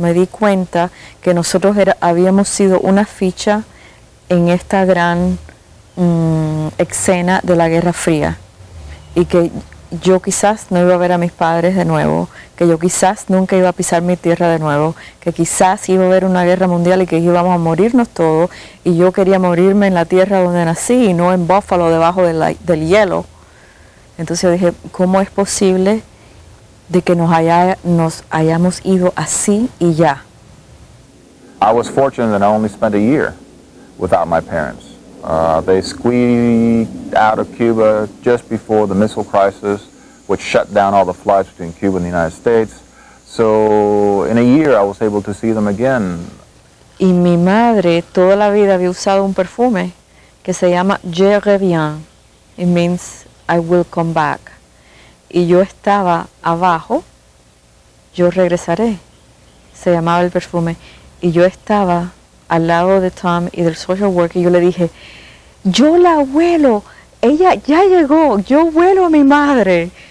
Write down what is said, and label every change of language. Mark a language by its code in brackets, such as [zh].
[es] Me di cuenta que nosotros habíamos sido una ficha en esta gran escena de la Guerra Fría y que yo quizás no iba a ver a mis padres de nuevo, que yo quizás nunca iba a pisar mi tierra de nuevo, que quizás iba a haber una guerra mundial y que íbamos a morirnos todos, y yo quería morirme en la tierra donde nací y no en Buffalo debajo del hielo. Entonces yo dije, ¿cómo es posible de que nos hayamos ido así y ya? [en] I was fortunate that I only spent a year without my parents. They squeezed out of Cuba just before the missile crisis, which shut down all the flights between Cuba and the United States. So in a year, I was able to see them again. [es] Y mi madre toda la vida había usado un perfume que se llama Je Reviens. [en] It means I will come back. [es] Y yo estaba abajo, yo regresaré. Se llamaba el perfume. Y yo estaba al lado de Tom y del social worker, y yo le dije, yo la huelo, ella ya llegó, yo huelo a mi madre.